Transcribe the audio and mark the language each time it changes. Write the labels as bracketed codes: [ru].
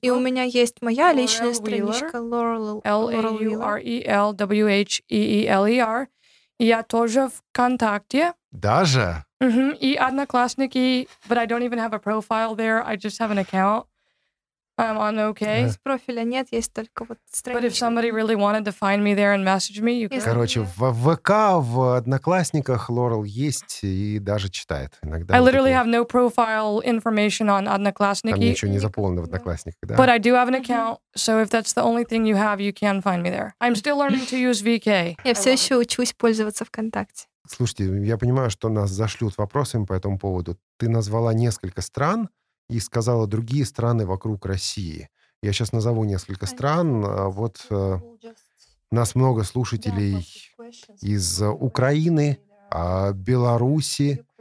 [ru] И у меня есть моя личная страничка Laurel Laurel Wheeler. Я тоже ВКонтакте. Даже? [en] Mm-hmm. И Одноклассники, but I don't even have a profile there. I just have an account. I'm on okay. [ru] Из профиля нет, есть только вот страничка. [en] But if somebody really wanted to find me there and message me, you can. [ru] Короче, в ВК, в Одноклассниках Лорел есть и даже читает иногда. [en] I literally have no profile information on Одноклассники. [ru] Там ничего не заполнено в Одноклассниках, да? [en] But I do have an account, so if that's the only thing you have, you can find me there. I'm still learning to use VK. [ru] Я все еще учусь пользоваться ВКонтакте. Слушайте, я понимаю, что нас зашлют вопросами по этому поводу. Ты назвала несколько стран и сказала другие страны вокруг России. Я сейчас назову несколько стран. Вот нас много слушателей из Украины, Беларуси.